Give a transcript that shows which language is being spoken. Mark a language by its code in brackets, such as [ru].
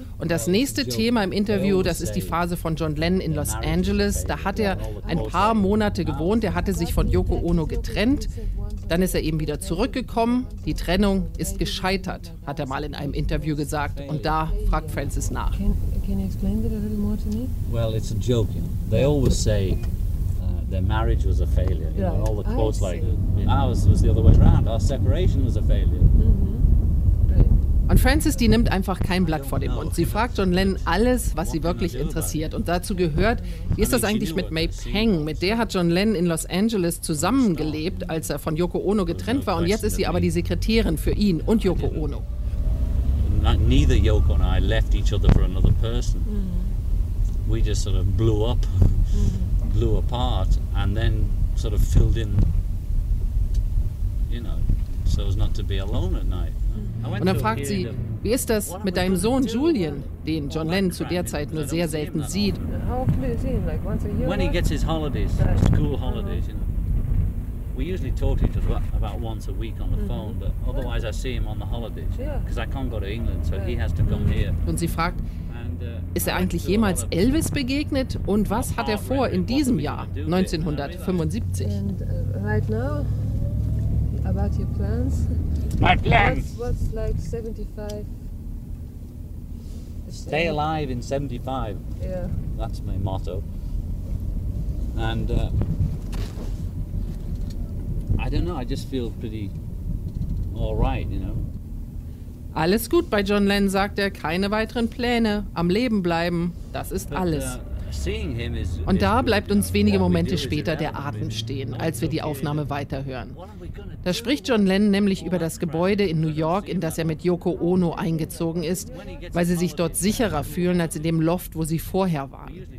[de] Und das nächste Thema im Interview, das ist die Phase von John Lennon in Los Angeles. Da hat er ein paar Monate gewohnt. Er hatte sich von Yoko Ono getrennt. Dann ist er eben wieder zurückgekommen. Die Trennung ist gescheitert, hat er mal in einem Interview gesagt. Und da fragt Frances nach. [en] Can you explain that a little more to me? Well, it's a joke. They always say their marriage was a failure. You know, all the quotes like ours was the other way around. Our separation was a failure. [de] Und Frances, die nimmt einfach kein Blatt vor den Mund. Sie fragt John Lennon alles, was sie wirklich interessiert. Und dazu gehört, wie ist das eigentlich mit May Pang? Mit der hat John Lennon in Los Angeles zusammengelebt, als er von Yoko Ono getrennt war. Und jetzt ist sie aber die Sekretärin für ihn und Yoko Ono. [en] Neither Yoko and I left each other for another person. We just sort of blew up, blew apart and then sort of filled in, you know, so as not to be alone at night. [de] Und dann fragt sie, wie ist das mit deinem Sohn Julian, den John Lennon zu der Zeit nur sehr selten sieht? [en] How often is he? Like once a year? When he gets his holidays, school holidays, you know. We usually talk to each other about once a week on the phone, but otherwise I see him on the holidays. Because I can't go to England, so he has to come here. [de] Und sie fragt, ist er eigentlich jemals Elvis begegnet? Und was hat er vor in diesem Jahr, 1975? [en] And right now, about your plans... My plans! What's like 75? Stay alive in 75. Yeah. That's my motto. And I don't know, I just feel pretty all right, you know. [de] Alles gut bei John Lennon, sagt er. Keine weiteren Pläne. Am Leben bleiben, das ist alles. Und da bleibt uns wenige Momente später der Atem stehen, als wir die Aufnahme weiterhören. Da spricht John Lennon nämlich über das Gebäude in New York, in das er mit Yoko Ono eingezogen ist, weil sie sich dort sicherer fühlen als in dem Loft, wo sie vorher waren.